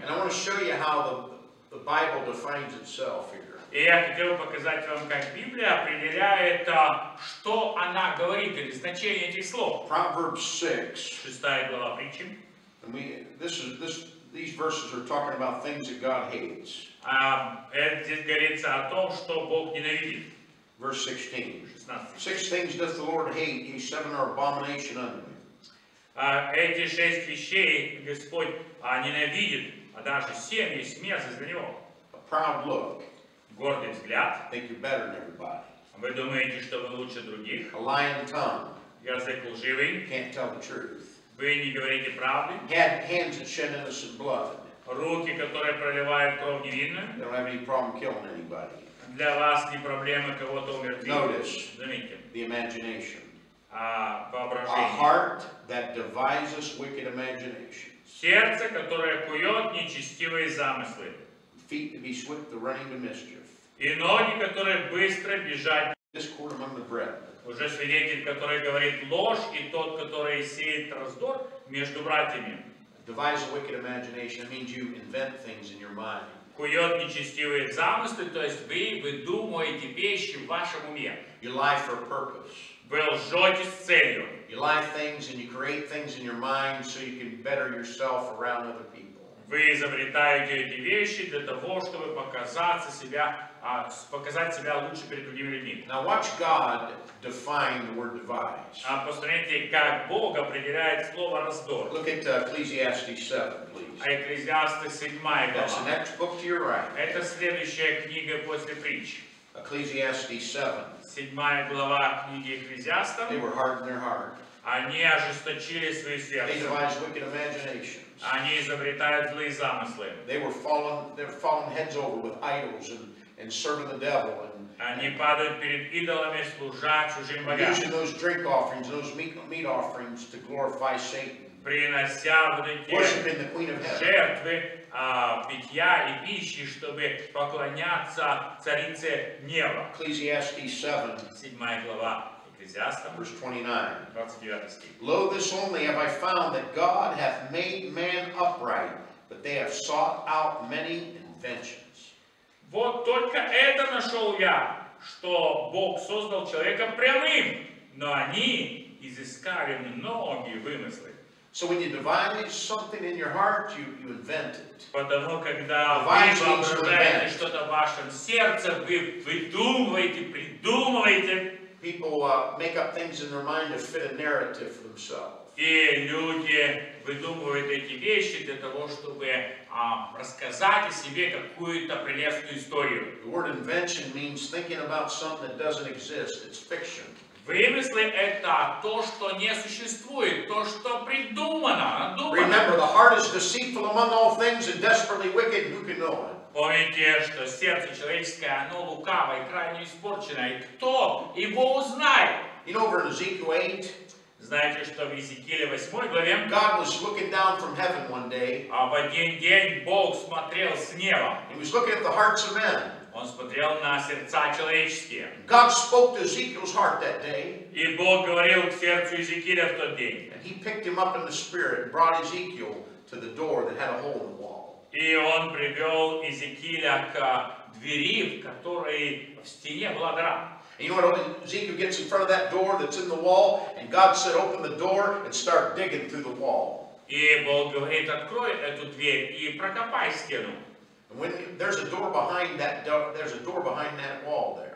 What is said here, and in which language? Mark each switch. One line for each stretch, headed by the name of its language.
English: And I want to show you how the Bible defines itself here.
Russian: И я хотел показать вам, как Библия определяет, что она говорит, или значение этих слов.
English: Proverbs 6.
Russian: Шестая глава притчи.
English: And these verses are talking about things that God hates.
Russian: Это здесь говорится о том, что Бог ненавидит.
English: Verse 16. Six things does the Lord hate, and seven are abomination unto him.
Russian: Эти шесть вещей Господь ненавидит, а даже семь есть мерзость для него.
English: A proud look.
Russian: Гордый взгляд.
English: Think you're better than everybody.
Russian: Вы думаете, что вы лучше других?
English: A lying tongue.
Russian: Язык лживый.
English: Can't tell the truth.
Russian: Вы не говорите правды.
English: Hands that shed innocent blood.
Russian: Руки, которые проливают кровь невинную.
English: They don't have any problem killing anybody.
Russian: Для вас не проблема кого-то умертвить.
English: Notice.
Russian: Заметьте.
English: The imagination.
Russian: Воображение.
English: A heart that devises wicked imagination.
Russian: Сердце, которое кует нечестивые замыслы.
English: Feet to be swift to running to mischief.
Russian: И ноги, которые быстро бежать.
English: Discord among the brethren.
Russian: Уже свидетель, который говорит ложь, и тот, который сеет раздор между братьями.
English: Devise a wicked imagination means you invent things in your mind.
Russian: Кует нечестивые замыслы, то есть вы выдумываете вещи в вашем уме.
English: You lie for a purpose.
Russian: Вы лжете с целью.
English: You lie things and you create things in your mind so you can better yourself around other people.
Russian: Вы изобретаете эти вещи для того, чтобы показаться себя, показать себя лучше перед другими людьми.
English: Now watch God define the word devise.
Russian: А посмотрите, как Бог определяет слово раздор.
English: Look at Ecclesiastes 7, please. Ecclesiastes 7. That's the next book to your right.
Russian: Это следующая книга после притч.
English: Ecclesiastes 7.
Russian: 7 глава книги Екклезиаста.
English: They were hard in their heart.
Russian: Они ожесточили свои сердца.
English: They devised wicked imaginations.
Russian: Они изобретают злые замыслы.
English: They were falling, they're falling heads over with idols and serving the devil. Они падают перед идолами, служа чужим богам. Using those drink offerings, those meat offerings to glorify Satan.
Russian: Принося вот эти
English: worshiping the queen of heaven.
Russian: Жертвы, питья и пищи, чтобы поклоняться царице неба.
English: Ecclesiastes 7.
Russian: 7 глава.
English: Verse 29. Lo, this only have I found, that God hath made man upright, but they have sought out many inventions.
Russian: Вот только это нашел я, что Бог создал человека прямым, но они изыскали многие вымыслы.
English: So when you devise something in your heart, you invent it.
Russian: Потому когда вы воображаете что-то в вашем сердце, вы выдумываете, придумываете.
English: People make up things in their mind to fit a narrative for themselves.
Russian: И люди выдумывают эти вещи для того, чтобы рассказать о себе какую-то прелестную историю.
English: The word invention means thinking about something that doesn't exist. It's fiction.
Russian: В Вымыслы – это то, что не существует, то, что придумано, надумано.
English: Remember, the heart is deceitful among all things and desperately wicked, who can know it?
Russian: Помните, что сердце человеческое, оно лукаво и крайне испорченное. Кто его узнает?
English: You know, over in Ezekiel 8,
Russian: знаете, что в Иезекииле 8 главе,
English: God was looking down from heaven one day.
Russian: А в один день Бог смотрел с неба.
English: He was looking at the hearts of men.
Russian: Он смотрел на сердца человеческие.
English: God spoke to Ezekiel's heart that day.
Russian: И Бог говорил к сердцу Иезекииля в тот день.
English: And he picked him up in the spirit and brought Ezekiel to the door that had a hole in the wall.
Russian: И он привел Иезекииля к двери, в которой в стене была дыра.
English: And you know what, Ezekiel gets in front of that door that's in the wall, and God said, open the door and start digging through the wall.
Russian: И Бог говорит, открой эту дверь и прокопай стену.
English: And when there's a door behind that wall there.